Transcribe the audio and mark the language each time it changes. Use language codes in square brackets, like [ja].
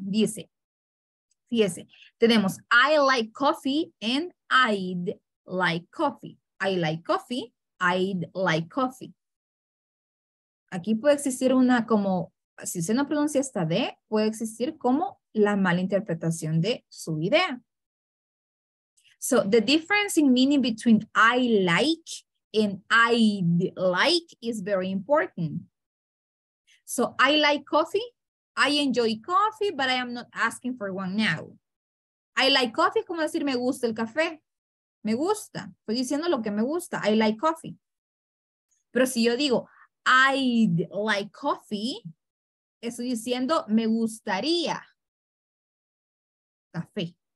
[es] Dice, fíjese. Tenemos [en] I like coffee and I'd like coffee. I like coffee. I'd like coffee. [es] Aquí puede existir una como, si usted no pronuncia esta D, puede existir como la mala interpretación de su idea. [en] So, the difference in meaning between I like and I'd like is very important. So, I like coffee. I enjoy coffee, but I am not asking for one now. I like coffee [es] es como decir me gusta el café. Me gusta. Estoy diciendo lo que me gusta. [en] I like coffee. [es] Pero si yo digo, [en] I'd like coffee, [es] estoy diciendo, me gustaría café.